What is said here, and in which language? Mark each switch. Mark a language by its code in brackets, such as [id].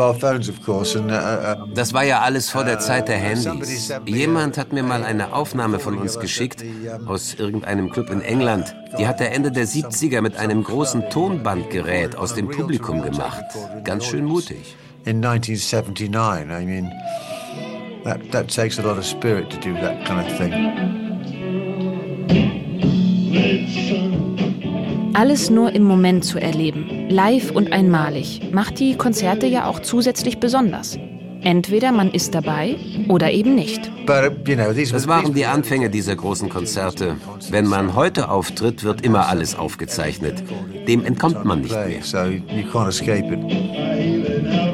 [de] Das war ja alles vor der Zeit der Handys. Jemand hat mir mal eine Aufnahme von uns geschickt, aus irgendeinem Club in England. Die hat er Ende der 70er mit einem großen Tonbandgerät aus dem Publikum gemacht. Ganz schön mutig. [en] In 1979, that takes a lot of spirit to do that kind of thing. [de] Alles nur im Moment zu erleben, live und einmalig, macht die Konzerte ja auch zusätzlich besonders. Entweder man ist dabei oder eben nicht. Das waren die Anfänge dieser großen Konzerte. Wenn man heute auftritt, wird immer alles aufgezeichnet. Dem entkommt man nicht mehr.